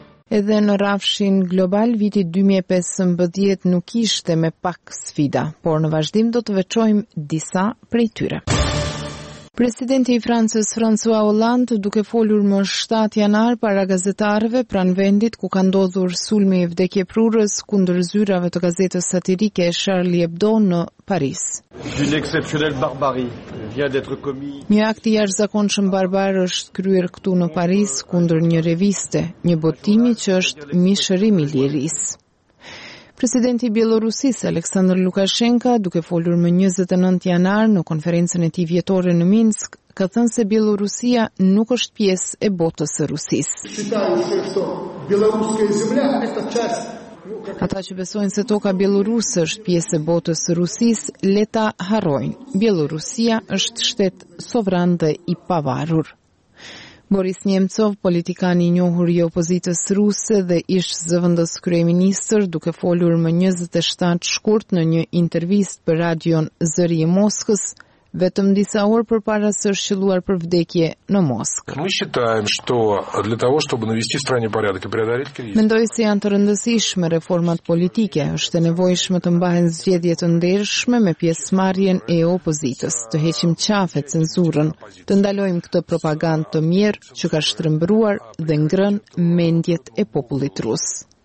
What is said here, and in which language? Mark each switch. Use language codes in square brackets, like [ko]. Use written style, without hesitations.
[sq] Edhe në rafshin global, viti 2015 nuk ishte me pak sfida, por në vazhdim do të veçojmë disa prej tyre. Presidenti i Francës François Hollande, duke folur më 7 janar para gazetarëve pranë vendit ku ka ndodhur sulmi i vdekjeprurës kundër zyrave të gazetës satirike Charlie Hebdo në Paris. [fr] Une exceptionnelle barbarie vient d'être commise. [sq] Një akt i jashtëzakonshëm barbar është kryer këtu në Paris kundër një reviste, një botimi që është mishërim i lirisë. Presidenti i Bielorusisë Aleksandr Lukashenka, duke folur më 29 janar në konferencën e tij vjetore në Minsk, ka thënë se Bielorusia nuk është pjesë e botës së Rusisë. Ata që besojnë se toka bieloruse është pjesë e botës së Rusisë, leta harrojnë. Bielorusia është shtet sovran dhe i pavarur. Boris Nemtsov, politikan i njohur i opozitës ruse dhe ish zëvendës kryeministër, duke folur më 27 shkurt në një intervistë për radion Zëri i Moskës, vetëm disa orë përpara së shqelluar për vdekje në Moskë. [ru] Ne считаем, что для того, чтобы навести в стране порядок и преодолеть кризис. [sq] Mendoj se janë të rëndësishme reformat politike, është e nevojshme të mbahen zgjedhje të ndershme me pjesëmarrjen e opozitës, të heqim qafe censurën, të ndalojmë këtë propagandë të mjerë që ka shtrëmbruar dhe ngrën mendjet e popullit rus.